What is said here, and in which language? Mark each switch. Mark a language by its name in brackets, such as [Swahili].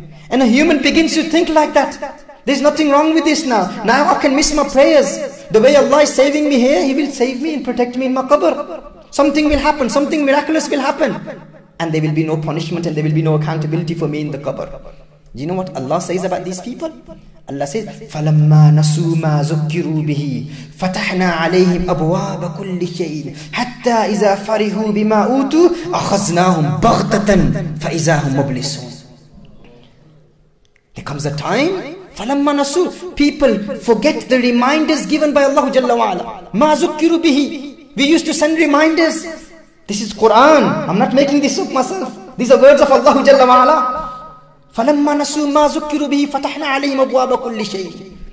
[English] And a human begins to think like that. There's nothing wrong with this now. Now I can miss my prayers. The way Allah is saving me here, He will save me and protect me in my qabr. Something will happen. Something miraculous will happen. And there will be no punishment and there will be no accountability for me in the qabr. Do you know what Allah says about these people? Allah says, [Arabic] فَلَمَّا نَسُوا مَا ذُكِّرُوا بِهِ فَتَحْنَا عَلَيْهِمْ أَبْوَابَ كُلِّ شَيْءٍ حَتَّى إِذَا فَرِحُوا بِمَا أُوتُوا أَخَذْنَاهُمْ بَغْتَةً فَإِذَا هُمْ مُبْلِسُونَ. [English] There comes a time, [Arabic] فَلَمَّا نَسُوا, [English] people forget the reminders given by Allah Jalla wa'ala. [Arabic] مَا ذُكِّرُوا بِهِ, [English] we used to send reminders. This is Quran, I'm not making this up myself. These are words of Allah Jalla wa'ala. [Arabic] فَلَمَّا نَسُوا مَا ذُكِّرُوا بِهِ فَتَحْنَا عَلَيْهِمْ أَبْوَابَ كُلِّ شَيْءٍ.